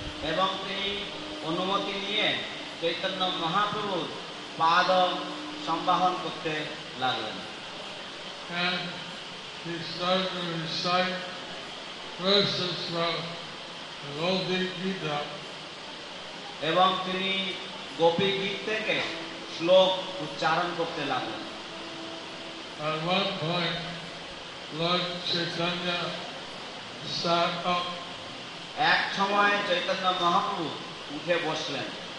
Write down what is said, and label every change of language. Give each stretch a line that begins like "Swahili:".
Bangla: এবং তিনি অনুমতি নিয়ে চৈতন্য মহাপ্রভুর পাদ সম্বাহন করতে লাগলেন।
English: And he started to recite verses from the Gopi Gita.
Bangla: এবং তিনি গোপী গীত থেকে শ্লোক উচ্চারণ করতে লাগলেন।
English: At one point, Lord Chaitanya sat up.
Bangla: এক সময় চৈতন্য মহাপ্রভু উঠে বসলেন।